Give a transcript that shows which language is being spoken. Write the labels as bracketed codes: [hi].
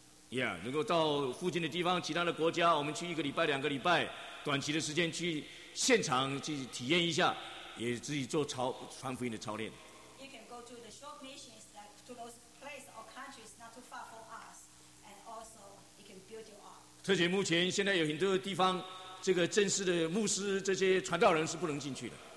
[zh] Yeah, 能够到附近的地方，其他的国家，我们去一个礼拜、两个礼拜，短期的时间去现场去体验一下，也自己做传福音的操练。 [en] You can go to the short missions that to those places or countries not too far from us, and also you can build you up. [zh] 特别目前现在有很多地方，这个正式的牧师这些传道人是不能进去的。